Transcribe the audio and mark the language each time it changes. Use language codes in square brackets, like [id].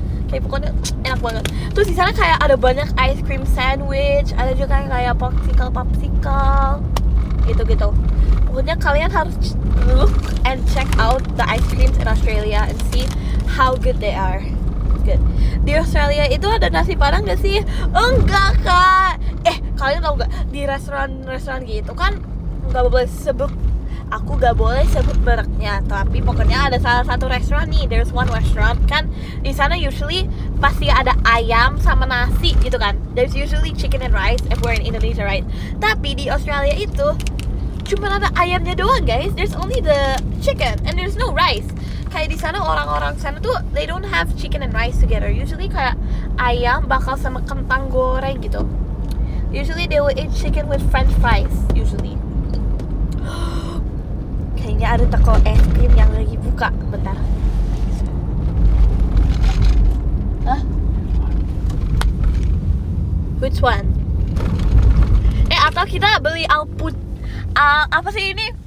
[id] Kayak pokoknya enak banget. Terus di sana kayak ada banyak ice cream sandwich, ada juga kayak popsicle gitu-gitu. Pokoknya kalian harus [en] look and check out the ice creams in Australia and see how good they are. Good. [id] Di Australia itu ada nasi padang gak sih? Enggak kak. Kalian tau gak, di restoran-restoran gitu kan gak boleh sebut, aku gak boleh sebut mereknya. Tapi pokoknya ada salah satu restoran nih, [en] there's one restaurant [id] kan. Di sana usually pasti ada ayam sama nasi gitu kan. [en] There's usually chicken and rice if we're in Indonesia, right? [id] Tapi di Australia itu cuma ada ayamnya doang guys. [en] There's only the chicken and there's no rice. [id] Kayak di sana orang-orang sana tuh [en] they don't have chicken and rice together. [id] Usually kayak ayam bakal sama kentang goreng gitu. [en] Usually they will eat chicken with french fries usually. [id] Kayaknya ada toko es krim yang lagi buka. Bentar. Huh? [en] Which one? [id] Atau kita beli alpukat. Apa sih ini?